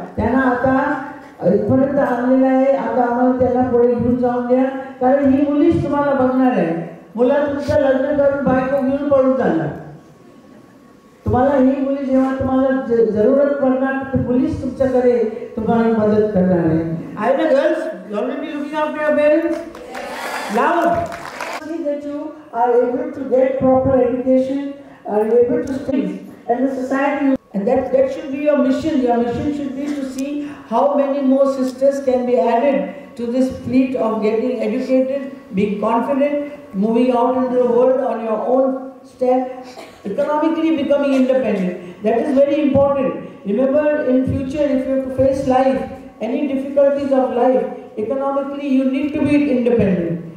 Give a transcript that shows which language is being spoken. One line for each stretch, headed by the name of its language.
Marathi: त्यांना आता इथपर्यंत आणलेलं आहे, आता आम्हाला त्यांना पुढे घेऊन जाऊन द्या. कारण ही मुलीच तुम्हाला बघणार आहे. मुला तुमचं लग्न करून बायको घेऊन पळून चालला. तुम्हाला ही मुली जेव्हा तुम्हाला जरूरत पडणार ते पोलीस तुमच्याकडे तुम्हाला मदत करणार आहे.
English: I know girls, you will be looking after your parents. Love see that you are able to get proper education, are able to study and the society, and that should be your mission. Your mission should be to see how many more sisters can be added to this fleet of getting educated, being confident, moving out into the world on your own step, economically becoming independent. That is very important. Remember, in future, if you have to face life, any difficulties of life, economically you need to be independent.